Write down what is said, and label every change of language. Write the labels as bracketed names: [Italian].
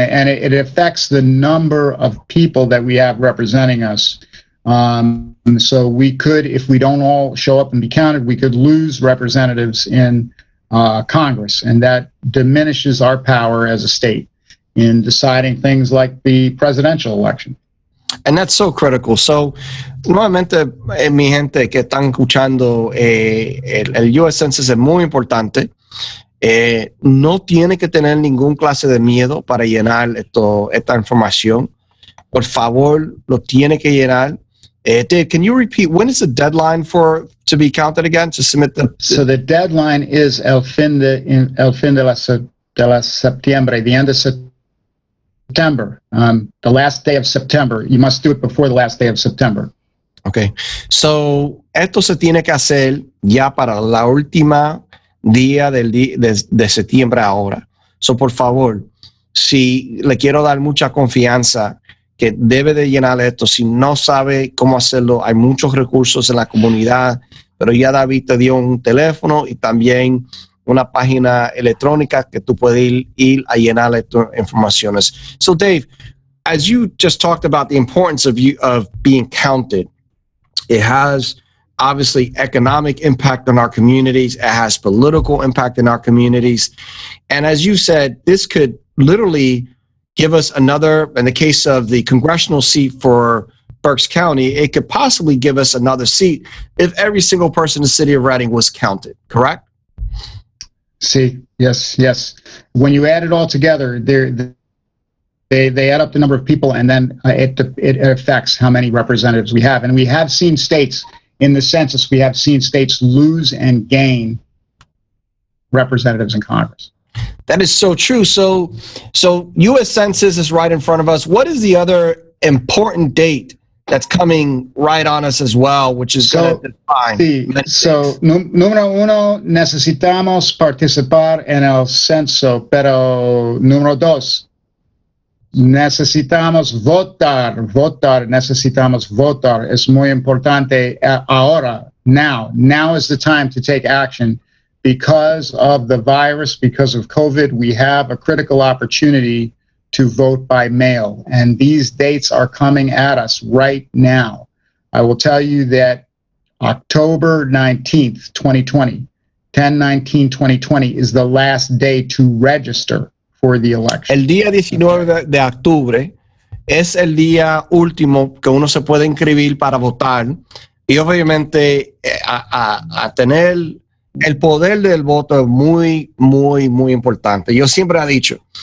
[English] And it affects the number of people that we have representing us. So we could, if we don't all show up and be counted, we could lose representatives in Congress, and that diminishes our power as a state in deciding things like the presidential election. And that's so critical. [Spanish] So, nuevamente, mi gente que están escuchando, el U.S. Census es muy importante. No tiene que tener ningún clase de miedo para llenar esta información. Por favor, lo tiene que llenar. [English] Dave, can you repeat, when is the deadline for to be counted again, to submit the... So the deadline is [Spanish] el fin de la septiembre, [English] the end of September, the last day of September. You must do it before the last day of September. [Spanish] Okay, so esto se tiene que hacer ya para la última día de septiembre ahora. So por favor, si le quiero dar mucha confianza, que debe de llenar esto. Si no sabe cómo hacerlo, hay muchos recursos en la comunidad, pero ya David te dio un teléfono y también una página electrónica que tú puedes ir a llenar estas informaciones. [English] So Dave, as you just talked about the importance of being counted, it has obviously economic impact on our communities, it has political impact in our communities, and as you said, this could literally give us another, in the case of the congressional seat for Berks County, it could possibly give us another seat if every single person in the city of Reading was counted, correct? See, yes. When you add it all together, they add up the number of people, and then it affects how many representatives we have. And we have seen states in the census, we have seen states lose and gain representatives in Congress. That is so true. So U.S. Census is right in front of us. What is the other important date that's coming right on us as well, which is going to define? [Spanish] So, número uno, necesitamos participar en el censo. Pero, número dos, necesitamos votar. Necesitamos votar. Es muy importante ahora, now. [English] Now is the time to take action. Because of the virus, because of COVID, we have a critical opportunity to vote by mail. And these dates are coming at us right now. I will tell you that October 19th, 2020, 10/19/2020 is the last day to register for the election. [Spanish] El día 19 de octubre es el día último que uno se puede inscribir para votar. Y obviamente a tener... El poder del voto es muy, muy, muy importante. Yo siempre he dicho,